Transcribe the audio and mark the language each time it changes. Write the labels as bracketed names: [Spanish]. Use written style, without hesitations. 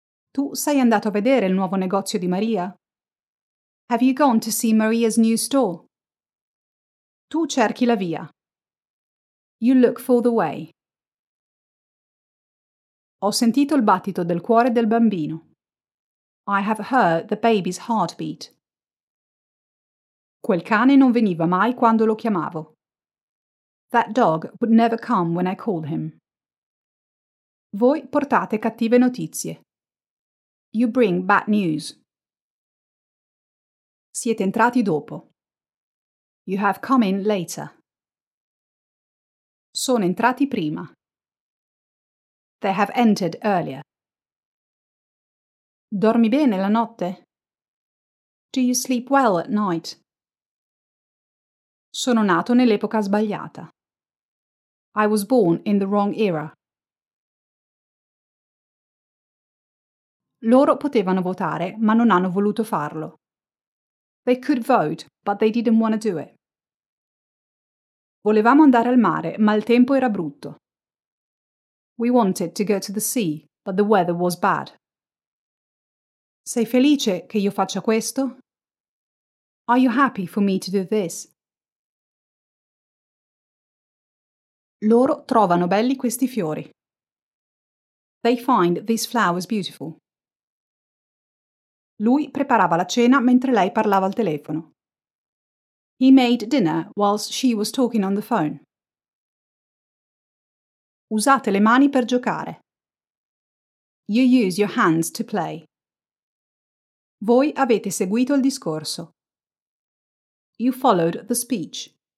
[Italian] Tu sei andato a vedere il nuovo negozio di Maria? [English] Have you gone to see Maria's new store? [Italian] Tu cerchi la via. [English] You look for the way. [Italian] Ho sentito il battito del cuore del bambino. [English] I have heard the baby's heartbeat. [Italian] Quel cane non veniva mai quando lo chiamavo. [English] That dog would never come when I called him. [Italian] Voi portate cattive notizie. [English] You bring bad news. [Italian] Siete entrati dopo. [English] You have come in later. [Italian] Sono entrati prima. [English] They have entered earlier. [Italian] Dormi bene la notte? [English] Do you sleep well at night? [Italian] Sono nato nell'epoca sbagliata. [English] I was born in the wrong era. [Italian] Loro potevano votare, ma non hanno voluto farlo. [English] They could vote, but they didn't want to do it. [Italian] Volevamo andare al mare, ma il tempo era brutto. [English] We wanted to go to the sea, but the weather was bad. [Italian] Sei felice che io faccia questo? [English] Are you happy for me to do this? [Italian] Loro trovano belli questi fiori. [English] They find these flowers beautiful. [Italian] Lui preparava la cena mentre lei parlava al telefono. [English] He made dinner whilst she was talking on the phone. [Italian] Usate le mani per giocare. [English] You use your hands to play. [Italian] Voi avete seguito il discorso. [English] You followed the speech.